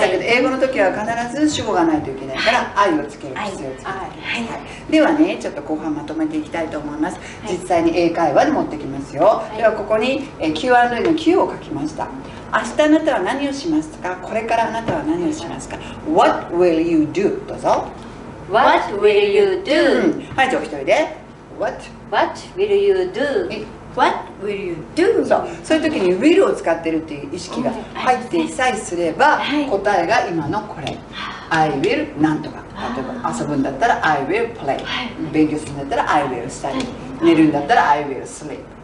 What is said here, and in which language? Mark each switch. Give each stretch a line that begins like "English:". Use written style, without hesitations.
Japanese: だけど英語の時は必ず主語がないといけないから、はい、愛をつける必要がある、はいはい、ではね、ちょっと後半まとめていきたいと思います。はい、実際に英会話で持ってきますよ。はい、ではここに Q&A の Q を書きました。はい、明日あなたは何をしますか。これからあなたは何をしますか。
English: はい、What will you do?
Japanese: どうぞ。
English: What will you do?、うん、
Japanese: はい、じゃあお一人で What?
English: What will you do? What will you do?
Japanese: そう、そういう時に will を使ってるっていう意識が入ってさえすれば、答えが今のこれ。はい、I will なんとか。例えば遊ぶんだったら
English: I will play。
Japanese: はい、勉強するんだったら
English: I will study。
Japanese: 寝るんだったら
English: I will sleep。